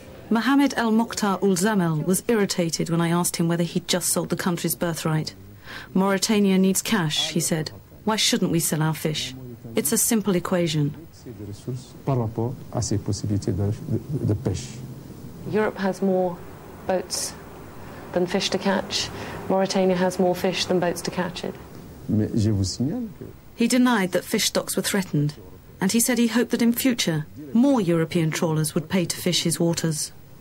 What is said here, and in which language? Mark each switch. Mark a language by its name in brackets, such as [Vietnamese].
[English] Mohamed El Mokhtar Ulzamel was irritated when I asked him whether he'd just sold the country's birthright. Mauritania needs cash, he said. Why shouldn't we sell our fish? It's a simple equation. [French] capacité de ressources par rapport à ses possibilités de pêche. [English] Europe has more boats than fish to catch. Mauritania has more fish than boats to catch it. [French] Mais je vous signale que... [English] He denied that fish stocks were threatened, and he said he hoped that in future more European trawlers would pay to fish his waters.